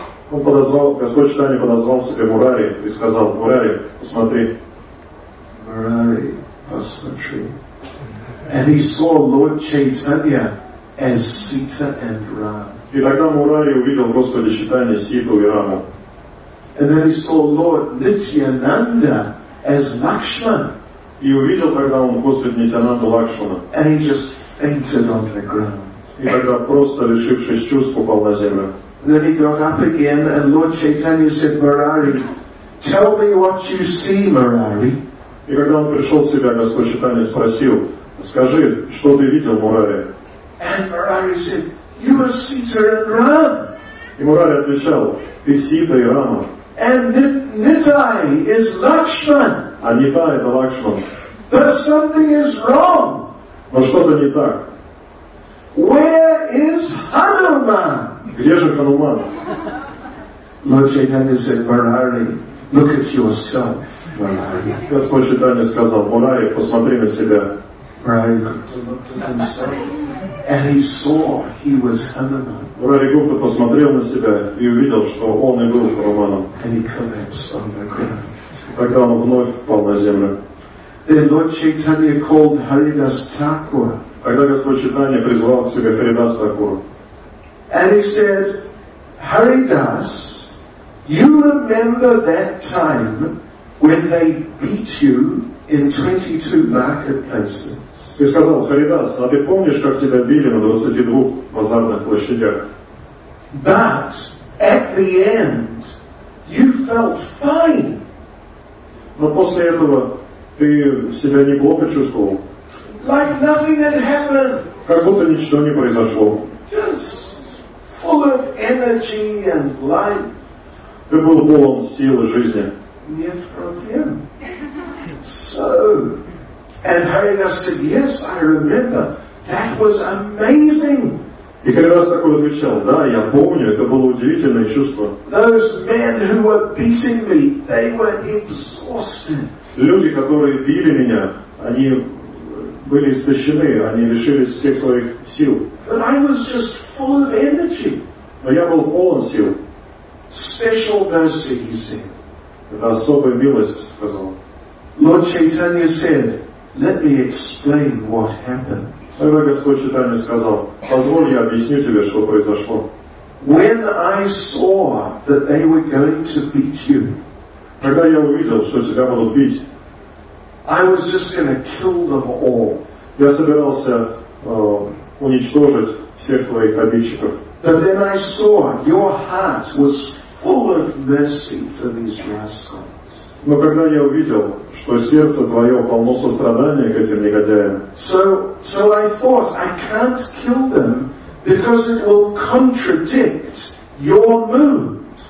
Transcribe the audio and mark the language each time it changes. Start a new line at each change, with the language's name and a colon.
Russian: Он подозвал, Господь Чайтанья подозвал себе Мурари и сказал, Мурари, посмотри.
English: Murari,
Russian: посмотри.
English: And he saw Lord Chaitanya as Sita and Ram.
Russian: И тогда Мурари увидел, Господи, читание Ситу и Раму.
English: And then he saw Lord Nityananda as Lakshman.
Russian: И увидел тогда он Господь Нитянанду Лакшмана.
English: And he just fainted on the ground.
Russian: И тогда просто лишившись чувств упал на землю.
English: Then he got up again, and Lord Chaitanya said, Murari, tell me what you see, Murari.
Russian: И когда он пришел в себя, Господь Чайтанья спросил, скажи, что ты видел, Мурари?
English: And Murari said, you are Sita and Ram.
Russian: И Мурари отвечал, ты Сита и Рама.
English: And Nitai is Lakshman.
Russian: А Нитай это Лакшман.
English: But something is wrong.
Russian: Но что-то не так.
English: Where is Hanuman?
Russian: Где же Хануман?
English: Lord Chaitanya said, Murari, look at yourself.
Russian: Господь Читание сказал, Мурари, посмотри на себя.
English: And he saw he was Hanuman.
Russian: Мурари Гупта посмотрел на себя и увидел, что он и был Хануманом.
English: And he collapsed on the ground.
Russian: Тогда он вновь упал на землю.
English: Then Lord Chaitanya called Haridas Thakur.
Russian: Тогда Господь Читание призвал к себе Харидас Такур.
English: And he said, Haridas, you remember that time when they beat you in 22 marketplaces.
Russian: И сказал, Харидас, а ты помнишь, как тебя били на 22 базарных площадях?
English: But at the end, you felt fine.
Russian: Но после этого ты себя неплохо чувствовал.
English: Like nothing had happened.
Russian: Как будто ничего не произошло.
English: Just full of energy and light.
Russian: Ты был полон силы жизни. Нет проблем.
English: So, and Haridas said, yes, I remember. That was amazing.
Russian: И Харидас такой отвечал, да, я помню, это было удивительное чувство.
English: Those men who were beating me, they were exhausted.
Russian: Люди, которые били меня, они были истощены, они лишились всех своих сил.
English: But I was just full of energy.
Russian: Но я был полон сил.
English: Special mercy, he said.
Russian: Это особая милость, сказал.
English: Lord Chaitanya said, let me explain what happened.
Russian: Тогда Господь Читание сказал, позволь, я объясню тебе, что произошло.
English: When I saw that they were going to beat you,
Russian: когда я увидел, что тебя будут бить,
English: I was just going to kill them all.
Russian: Я собирался уничтожить всех твоих обидчиков.
English: But then I saw your heart was full of mercy for these rascals.
Russian: Но когда я увидел, что сердце твое полно сострадания к этим негодяям,
English: so I thought I can't kill them because it will contradict your mood.